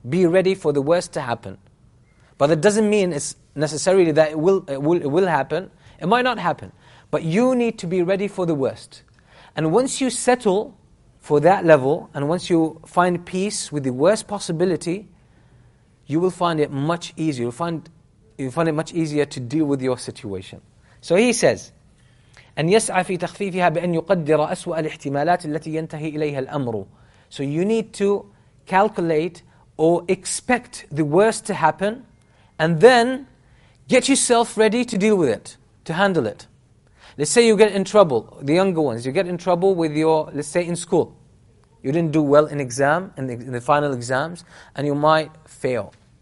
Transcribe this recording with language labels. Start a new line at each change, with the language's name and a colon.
English: Be ready for the worst to happen. But that doesn't mean it's necessarily that it will happen. It might not happen. But you need to be ready for the worst. And once you settle for that level, and once you find peace with the worst possibility, you will find it much easier. You'll find it much easier to deal with your situation.
Arabic: So he says, أن يسعى في تخفيفها بأن يقدر أسوأ الاحتمالات التي ينتهي إليها الأمر.
English: So you need to calculate or expect the worst to happen and then get yourself ready to deal with it, to handle it. Let's say you get in trouble, the younger ones, you get in trouble with your, let's say in school. You didn't do well in exam, in the final exams, and you might fail.